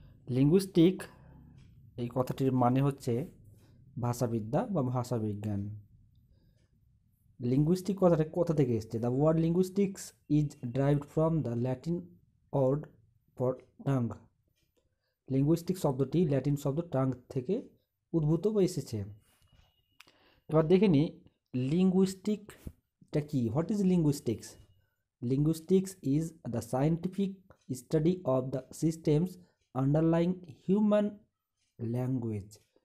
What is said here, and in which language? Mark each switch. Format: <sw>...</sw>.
<bn>Linguistic এই কথাটির মানে হচ্ছে ভাষাবিদ্যা বা ভাষা বিজ্ঞান. Linguistic কথাটা কোথা থেকে এসেছে?</bn> <en>The word linguistics is derived from the Latin word for tongue.</en> <bn>Linguistic শব্দটি ল্যাটিন শব্দ টাং থেকে উদ্ভূত বা এসেছে। এবার দেখে নি লিঙ্গুইস্টিকটা কী,</bn> <en>What is linguistics? Linguistics is the scientific study of the systems underlying human language.</en>